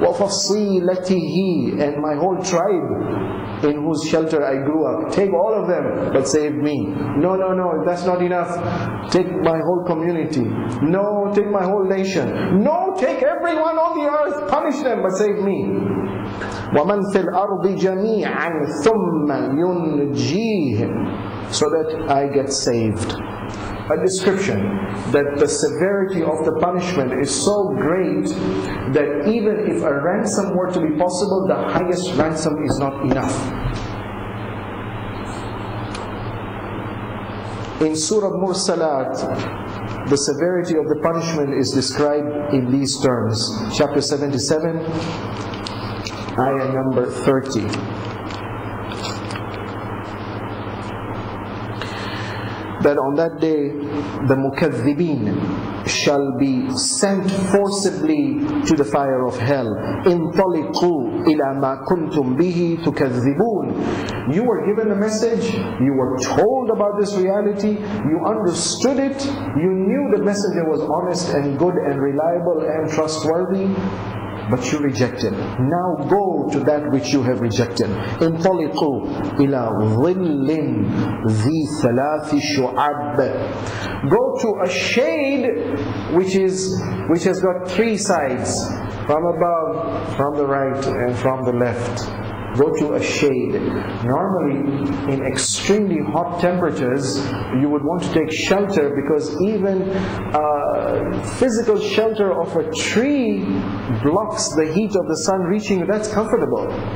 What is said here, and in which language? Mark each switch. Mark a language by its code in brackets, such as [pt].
[ar] وَفَصِيلَتِهِ, [en] and my whole tribe in whose shelter I grew up. Take all of them, but save me. No, no, no, that's not enough. Take my whole community. No, take my whole nation. No, take everyone on the earth. Punish them, but save me. [ar] وَمَنْ فِي الْأَرْضِ جَمِيعًا ثُمَّ يُنْجِيهِ, [en] so that I get saved. A description that the severity of the punishment is so great that even if a ransom were to be possible, the highest ransom is not enough. In Surah Mursalat, the severity of the punishment is described in these terms. Chapter 77, ayah number 30. That on that day, the mukaththibeen shall be sent forcibly to the fire of hell. [ar] انطلقوا إلى ما كنتم به تكذبون. [en] You were given the message, you were told about this reality, you understood it, you knew the messenger was honest and good and reliable and trustworthy, but you rejected. Now go to that which you have rejected. [ar] انطلقوا إلى ظل ذي ثلاث شعب. [en] Go to a shade which has got three sides, from above, from the right, and from the left. Go to a shade. Normally, in extremely hot temperatures, you would want to take shelter, because even a physical shelter of a tree blocks the heat of the sun reaching. That's comfortable.